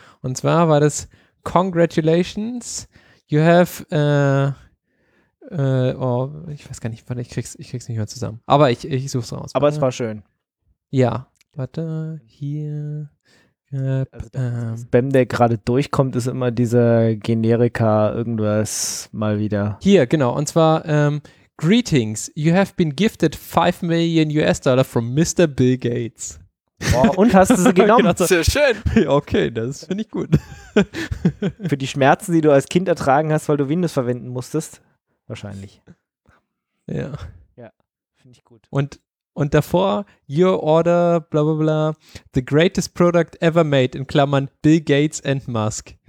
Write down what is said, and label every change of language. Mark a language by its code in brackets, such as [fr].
[de] Und zwar war das: [en] Congratulations, you have [de] ich weiß gar nicht, warte, ich krieg's nicht mehr zusammen. Aber ich such's raus. Aber es war schön. Ja. Warte, hier. Spam, der gerade durchkommt, ist immer dieser Generika irgendwas mal wieder. Hier, genau. Und zwar, [en] Greetings, you have been gifted $5 million from Mr. Bill Gates. [de] Boah, und hast du sie genommen? Genau, sehr schön. Okay, das finde ich gut. Für die Schmerzen, die du als Kind ertragen hast, weil du Windows verwenden musstest? Wahrscheinlich. Ja. Ja, finde ich gut. Und davor, [en] your order, bla bla bla, the greatest product ever made, [de] in Klammern, [en] Bill Gates and Musk.